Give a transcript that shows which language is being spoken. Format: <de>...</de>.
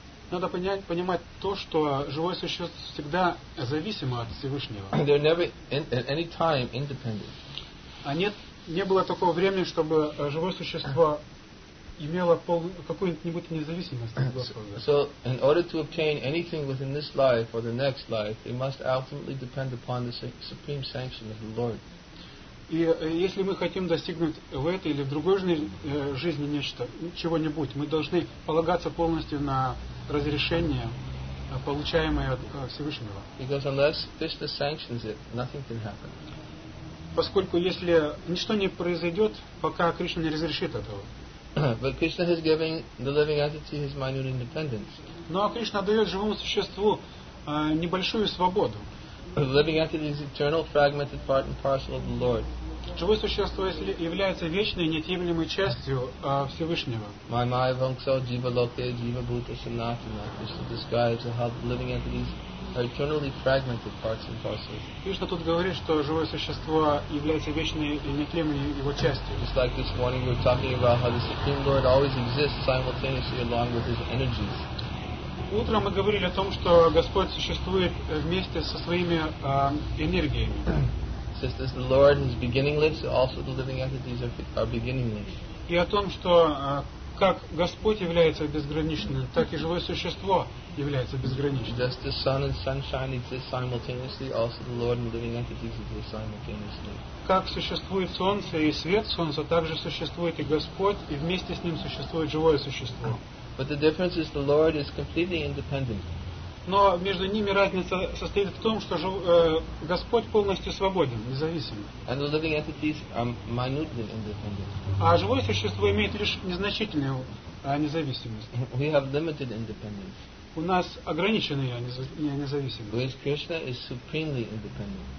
<ru>Надо понимать то, что живое существо всегда зависимо от Всевышнего.</ru> <en>They're never at any time independent.</en> <ru>А нет, не было такого времени, чтобы живое существо имело какую-нибудь независимость от Господа.</ru> <en>So in order to obtain anything within this life or the next life, it must ultimately depend upon the supreme sanction of the Lord.</en> <ru>И если мы хотим достигнуть в этой или в другой жизни нечто, чего-нибудь, мы должны полагаться полностью на разрешение, получаемое от Всевышнего.</ru> <en>Because unless Krishna sanctions it, nothing can happen.</en> <ru>Поскольку если ничто не произойдет, пока Кришна не разрешит этого.</ru> <en>But Krishna has given the living entity his minute independence.</en> <ru>Но Кришна дает живому существу небольшую свободу.</ru> <en>The living entity is eternal, fragmented part and parcel of the Lord.</en> <ru>Живое существо является вечной, неотъемлемой частью Всевышнего.</ru> <sa>Майя вонксо джива локе джива бхута санатана.</sa> <en>Krishna describes how the living entities are eternally fragmented parts and parcels.</en> <ru>Кришна тут говорит, что живое существо является вечной, неотъемлемой его частью.</ru> <en>Just like this morning we were talking about how the Supreme Lord always exists simultaneously along with his energies.</en> <ru>Утром мы говорили о том, что Господь существует вместе со своими энергиями.</ru> <en>Since the Lord is beginningless, also the living entities are beginningless.</en> <ru>И о том, что как Господь является безграничным, так и живое существо является безграничным.</ru> <en>Just the sun and sunshine exist simultaneously, also the Lord and the living entities exist simultaneously.</en> <ru>Как существует солнце и свет солнца, также существует и Господь, и вместе с ним существует живое существо.</ru> <en>But the difference is the Lord is completely independent.</en> <ru>Но между ними разница состоит в том, что Господь полностью свободен, независим.</ru> <en>And the living entities are minutely independent.</en> <ru>А живое существо имеет лишь незначительную независимость.</ru> <en>We have limited independence.</en> <ru>У нас ограниченная независимость.</ru> <en>Whereas Krishna is supremely independent.</en>